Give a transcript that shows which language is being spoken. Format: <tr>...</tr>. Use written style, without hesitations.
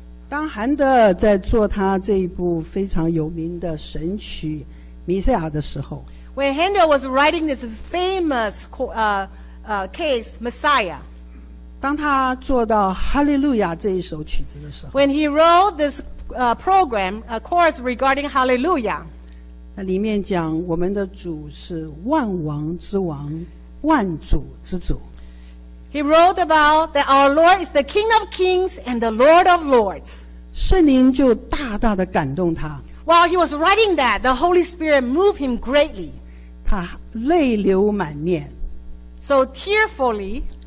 <zh>当韩德尔在做他这一部非常有名的神曲《弥赛亚》的时候，</zh> <en>when Handel was writing this famous case Messiah,</en> <zh>当他做到《哈利路亚》这一首曲子的时候，</zh> <en>when he wrote this program, a chorus regarding Hallelujah,</en> <zh>那里面讲我们的主是万王之王，万主之主。</zh> <en>He wrote about that our Lord is the King of Kings and the Lord of Lords.</en> <zh>圣灵就大大的感动他。</zh> <en>While he was writing that, the Holy Spirit moved him greatly.</en> <zh>他泪流满面。</zh> <en>So tearfully,</en>